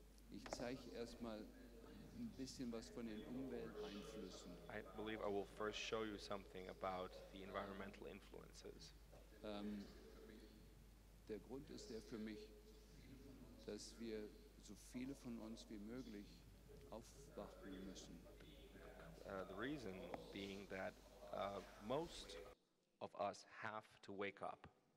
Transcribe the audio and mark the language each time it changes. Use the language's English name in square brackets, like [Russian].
[German] Ich zeige erstmal ein bisschen was von den Umwelteinflüssen. [English] I believe I will first show you something about the environmental influences. [German] Der Grund ist der für mich, dass wir so viele von uns wie möglich aufwachen müssen. [English] The reason being that most of us have to wake up.